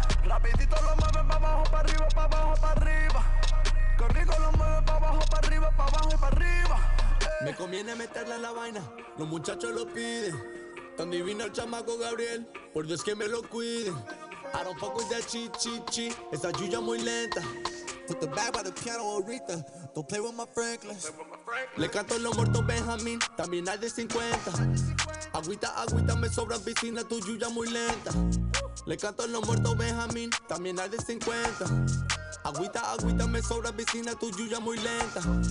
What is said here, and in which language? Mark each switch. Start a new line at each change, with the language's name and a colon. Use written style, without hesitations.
Spanish: Rapidito lo mueven pa' abajo, pa' arriba, pa' abajo, pa' arriba. Con rico lo mueven pa' abajo, pa' arriba, pa' abajo, pa' arriba. Me conviene meterle en la vaina, los muchachos lo piden. Tan divino el chamaco Gabriel, por Dios que me lo cuide.
English: I don't fuck with that chi chi chi,
Spanish: esa yuya muy lenta.
English: Put the bag by the piano
Spanish: ahorita,
English: don't play with my Franklin.
Spanish: Le canto los muertos Benjamín, también hay de 50. Agüita, agüita, me sobra piscina, tu yuya muy lenta. Le canto los muertos Benjamín, también hay de 50. Agüita, agüita, me sobra piscina, tu yuya muy lenta.